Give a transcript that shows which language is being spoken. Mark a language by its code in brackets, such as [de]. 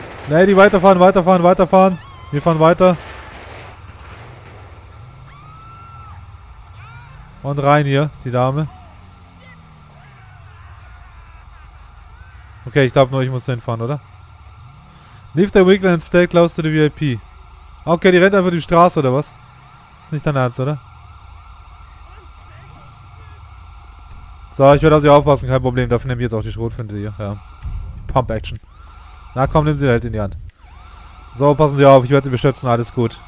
[de] Lady, weiterfahren, weiterfahren, weiterfahren. Wir fahren weiter. Und rein hier, die Dame. Okay, ich glaube nur, ich muss den fahren, oder? [en] Leave the weekend and stay close to the VIP. [de] Okay, die rennt einfach die Straße, oder was? Ist nicht dein Ernst, oder? So, ich werde auf sie aufpassen, kein Problem. Dafür nehme ich jetzt auch die Schrotflinte hier. Ja. Pump Action. Na komm, nimm sie halt in die Hand. So, passen Sie auf, ich werde sie beschützen, alles gut.